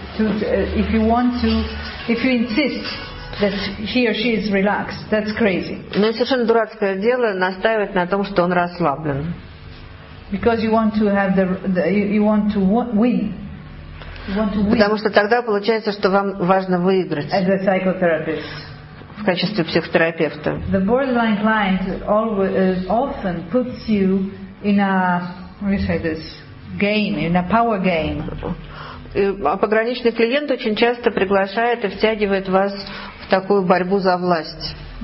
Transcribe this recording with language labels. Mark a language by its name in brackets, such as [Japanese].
[English] If you insist that he or she is relaxed, that's crazy. [Russian] Но совершенно дурацкое дело настаивать на том, что он расслаблен. [English] Because you want to have you want to win. [Russian] Потому что тогда получается, что вам важно выиграть. [English] As a psychotherapist. [Russian] В качестве психотерапевта. [English] The borderline client often puts you in a, how do you say this, game, in a power game. [Russian] А пограничный клиент очень часто приглашает и втягивает вас в такую борьбу за власть.